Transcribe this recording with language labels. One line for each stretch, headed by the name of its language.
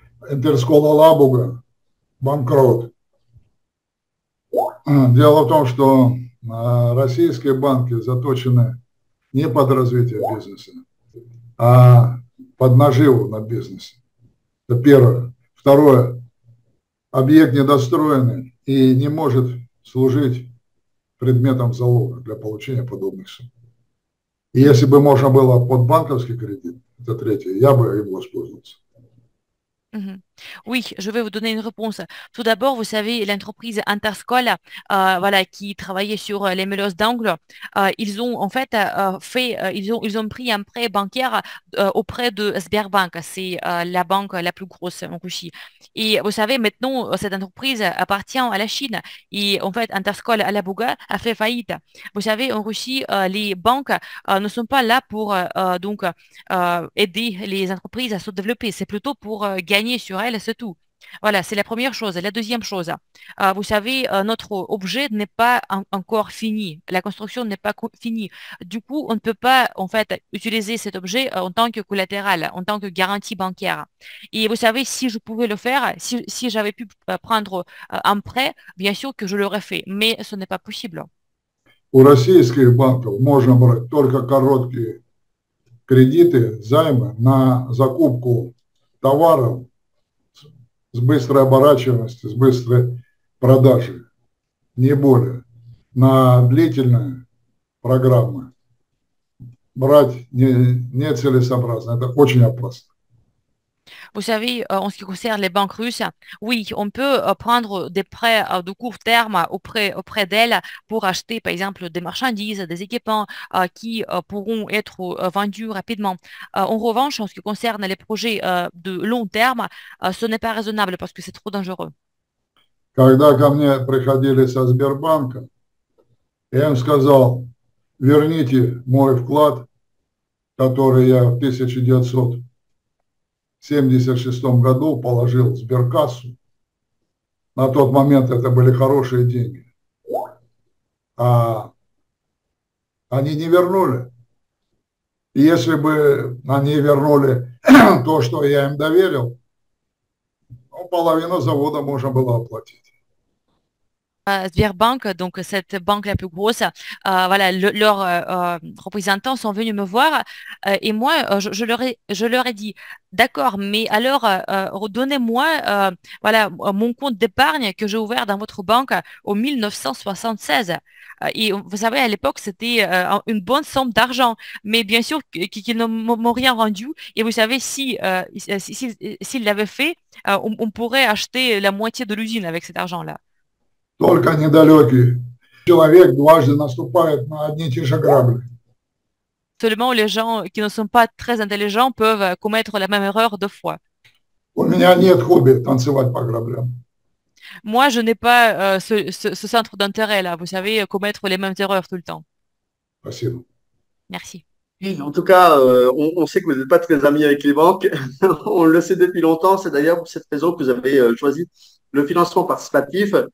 Russian: Интерскол Алабуга банкрот. Дело в том, что российские банки заточены не под развитие бизнеса, а под наживу на бизнесе. Это первое. Второе. Объект недостроенный и не может служить предметом залога для получения подобных сумм. И если бы можно было под банковский кредит, это третье, я бы им воспользовался.
French: Oui, je vais vous donner une réponse. Tout d'abord, vous savez, l'entreprise Interscol, voilà, qui travaillait sur les meuleuses d'angle, ils ont en fait ils ont pris un prêt bancaire auprès de Sberbank, c'est la banque la plus grosse en Russie. Et vous savez, maintenant, cette entreprise appartient à la Chine et en fait, Interscol Alabuga a fait faillite. Vous savez, en Russie, les banques ne sont pas là pour donc aider les entreprises à se développer, c'est plutôt pour gagner sur elle, c'est tout. Voilà, c'est la première chose. La deuxième chose, vous savez, notre objet n'est pas encore fini. La construction n'est pas co finie. Du coup, on ne peut pas, en fait, utiliser cet objet en tant que collatéral, en tant que garantie bancaire. Et vous savez, si je pouvais le faire, si j'avais pu prendre un prêt, bien sûr que je l'aurais fait. Mais ce n'est pas possible.
Russian: У российских банков можно брать только короткие кредиты, займы на закупку товаров с быстрой оборачиваемостью, с быстрой продажей, не более, на длительные программы. брать нецелесообразно. Это очень опасно.
French: Vous savez, en ce qui concerne les banques russes, oui, on peut prendre des prêts de court terme auprès d'elles pour acheter, par exemple, des marchandises, des équipements qui pourront être vendus rapidement. En revanche, en ce qui concerne les projets de long terme, ce n'est pas raisonnable parce que c'est trop dangereux.
Russian: Когда ко мне приходили со Сбербанка, я им сказал, верните мой вклад, который я в 1976 году положил в Сберкассу. На тот момент это были хорошие деньги. А они не вернули. И если бы они вернули то, что я им доверил, ну, половину завода можно было оплатить.
French: Sberbank, donc cette banque la plus grosse, voilà, leurs représentants sont venus me voir et moi, je leur ai dit, d'accord, mais alors redonnez-moi voilà, mon compte d'épargne que j'ai ouvert dans votre banque en 1976. Et vous savez, à l'époque, c'était une bonne somme d'argent, mais bien sûr qu'ils ne m'ont rien rendu. Et vous savez, s'ils l'avaient fait, on pourrait acheter la moitié de l'usine avec cet argent-là.
Russian: Только недалекий человек дважды наступает на одни и те же грабли.
French: Seulement les gens qui ne sont pas très intelligents peuvent commettre la même erreur deux fois.
Russian: У меня нет хобби танцевать по граблям.
French: Moi, je n'ai pas ce centre d'intérêt là, vous savez, commettre les mêmes erreurs tout le temps.
Russian: Спасибо.
French: Merci. En tout cas, on sait que vous n'êtes pas très amis avec les banques. On le sait depuis longtemps. C'est d'ailleurs pour cette raison que vous avez choisi le financement participatif.